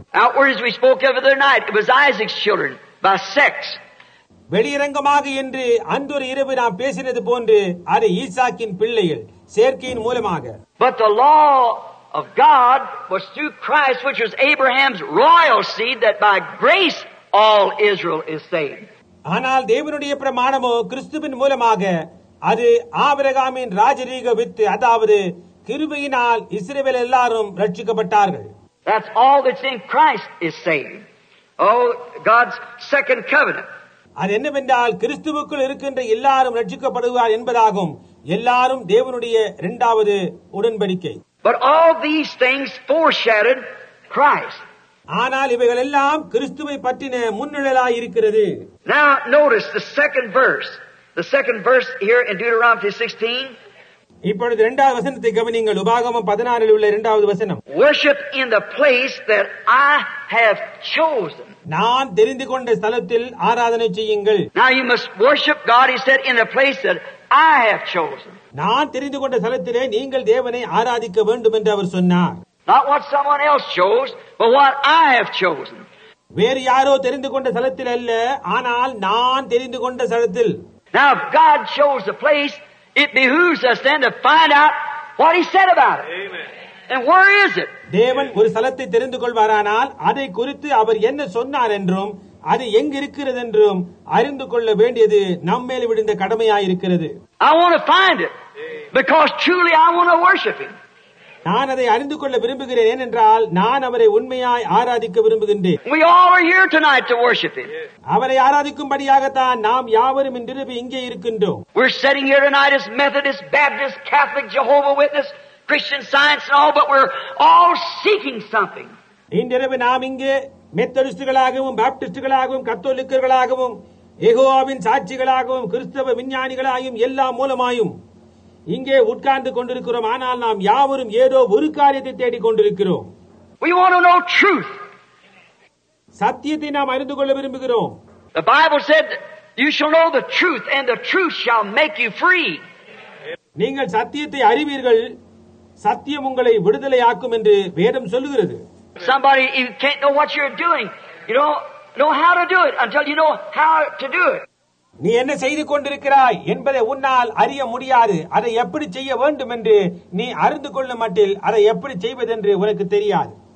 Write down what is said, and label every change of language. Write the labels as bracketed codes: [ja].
[en] Outward as we spoke of the other night, it was Isaac's children. By sex. [ta] வெளியரங்கமாக என்று அன்றொரு இரவு நாம் பேசினது போன்று அது ஈசாக்கின் பிள்ளைகள் சேர்க்கையின் மூலமாக. [en] But the law of God was through Christ, which was Abraham's royal seed, that by grace all Israel is saved. [ta] ஆனால் தேவனுடைய பிரமாணமோ கிறிஸ்துவின் மூலமாக அது ஆபிரகாமின் ராஜரீக வித்து அதாவது கிருபையினால் இஸ்ரவேல் எல்லாரும் ரட்சிக்கப்பட்டார்கள். [en] That's all that's in Christ is saved. Oh, God's second covenant. [ta] அது என்னவென்றால் கிறிஸ்துவுக்குள் இருக்கின்ற எல்லாரும் ரட்சிக்கப்படுவார் என்பதாகும். எல்லாரும் தேவனுடைய இரண்டாவது உடன்படிக்கை. [en] But all these things foreshadowed Christ. [ta] ஆனால் இவைகள் எல்லாம் கிறிஸ்துவை பற்றின முன்னிழலாய் இருக்கிறது. [en] Now notice the second verse. The second verse here in Deuteronomy 16. [ta] இப்பொழுது இரண்டாவது வசனத்தை கவனியுங்கள். உபாகமம் 16 உள்ள இரண்டாவது வசனம். [en] Worship in the place that I have chosen. [ta] நான் தெரிந்து கொண்ட ஸ்தலத்தில் ஆராதனை செய்யுங்கள். [en] Now you must worship God, he said, in the place that I have chosen. [ta] நான் தெரிந்து கொண்ட ஸ்தலத்திலே நீங்கள் தேவனை ஆராதிக்க வேண்டும் என்று அவர் சொன்னார். [en] Not what someone else chose, but what I have chosen. [ta] வேறு யாரோ தெரிந்து கொண்ட ஸ்தலத்தில் அல்ல, ஆனால் நான் தெரிந்து கொண்ட ஸ்தலத்தில். [en] Now if God chose the place, it behooves us then to find out what he said about it. Amen. And where is it? [ta] தேவன் ஒரு ஸ்தலத்தை தெரிந்து கொள்வாரானால் அதை குறித்து அவர் என்ன சொன்னார் என்றும் அது எங்க இருக்கிறது என்றும் அறிந்து கொள்ள வேண்டியது நம் மேல் விழுந்த கடமையாயிருக்கிறது. [en] I want to find it because truly I want to worship him. [ta] நான் அதை அறிந்து கொள்ள விரும்புகிறேன் என்றால் நான் அவரை உண்மையாய் ஆராதிக்க விரும்புகின்றேன். அவரை ஆராதிக்கும்படியாகத்தான் நாம் யாவரும் இன்றிரவு இங்கே இருக்கின்றோம். [en] We're sitting here tonight as Methodist, Baptist, Catholic, Jehovah Witness, Christian Science and all, but we're all seeking something. [ta] இன்றிரவு நாம் இங்கே மெத்தடிஸ்டுகளாகவும் பாப்டிஸ்டுகளாகவும் கத்தோலிக்கர்களாகவும் யெகோவாவின் சாட்சிகளாகவும் கிறிஸ்தவ விஞ்ஞானிகளாகவும் எல்லாம் மூலமாயும் இங்கே உட்கார்ந்து கொண்டிருக்கிறோம். ஆனால் நாம் யாவரும் ஏதோ ஒரு காரியத்தை தேடிக் கொண்டிருக்கிறோம். [en] We want to know truth. [ta] சத்தியத்தை நாம் அறிந்து கொள்ள விரும்புகிறோம். [en] The Bible said, "You shall know the truth, and the truth shall make you free." [ta] நீங்கள் சத்தியத்தை அறிவீர்கள், சத்தியம் உங்களை விடுதலையாக்கும் என்று வேதம் சொல்லுகிறது. [en] Somebody, you can't know what you're doing. You don't know how to do it until you know how to do it. [ta] நீ என்ன செய்து கொண்டிருக்கிறாய் என்பதை உன்னால் அறிய முடியாது. அதை எப்படி செய்ய வேண்டும் என்று நீ அறிந்து கொள்ளும் மட்டில் அதை எப்படி செய்வதென்று உனக்கு தெரியாது.